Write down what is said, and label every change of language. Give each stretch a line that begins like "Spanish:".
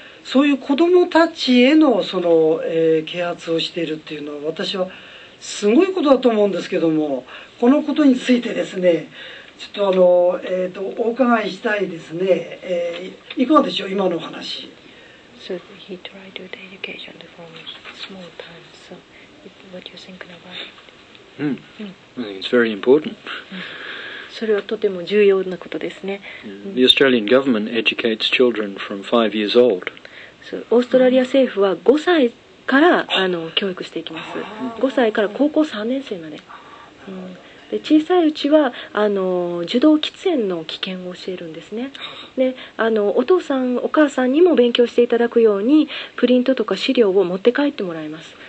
Japanese: そういう子供たちへの、啓発をしているというのは、私はすごいことだと思うんですけども、このことについてですね、ちょっと、お伺いしたいですね、いかがでしょう、今のお話。
English: So he tried to do education from small time. So, what do you think about it? I think it's very important.
Japanese: それはとても重要なことですね。
English: The Australian government educates children from 5 years old.
Japanese: So, オーストラリア政府は5歳から教育していきます。 5歳から高校3年生まで。で小さいうちは受動喫煙の危険を教えるんですね。でお父さんお母さんにも勉強していただくようにプリントとか資料を持って帰ってもらいます。